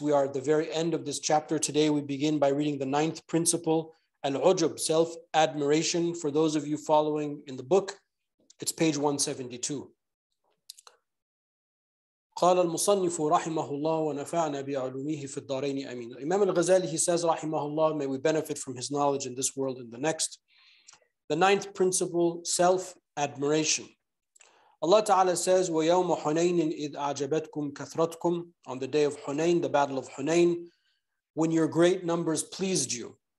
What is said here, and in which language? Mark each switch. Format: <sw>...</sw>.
<en>We are at the very end of this chapter. Today we begin by reading the ninth principle, al-ujub, self-admiration. For those of you following in the book, it's page 172.</en> <ar>قال المصنف رحمه الله ونفعنا بعلومه في الدارين امين.</ar> <en>Imam al-Ghazali, he says,</en> <ar>رحمه الله,</ar> <en>may we benefit from his knowledge in this world and the next. The ninth principle, self-admiration. Allah Ta'ala says,</en> <ar>وَيَوْمُ حُنَيْنٍ إِذْ أَعْجَبَتْكُمْ كَثْرَتْكُمْ,</ar> <en>on the day of Hunayn, the battle of Hunayn, when your great numbers pleased you.</en>